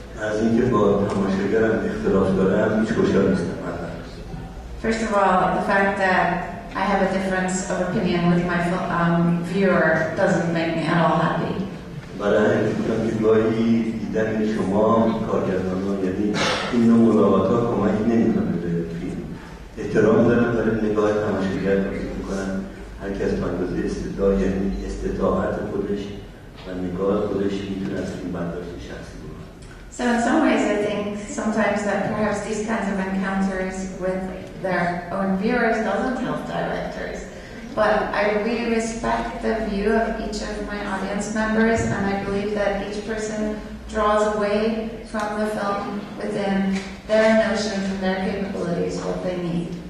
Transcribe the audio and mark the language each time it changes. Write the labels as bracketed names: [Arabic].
[Persian] از اینکه با تماشاگرم اختلاف دارم هیچ خوشحال نیستم. [English] First of all, the fact that I have a difference of opinion with my viewer doesn't make me at all happy. [Persian] برای اینکه گاهی دیدن شما کارگردانان یعنی این نوع ملاقات ها کمکی نمیکنه به فیلم. احترام دارم برای نگاه تماشاگر بازی میکنم، هر کس به اندازه استطاعت خودش و نگاه خودش میتونه از فیلم برداشت شخصی بکنه. [English] So in some ways I think sometimes that perhaps these kinds of encounters with their own viewers doesn't help directors. But I really respect the view of each of my audience members, and I believe that each person draws away from the film within their notion, from their capabilities, what they need.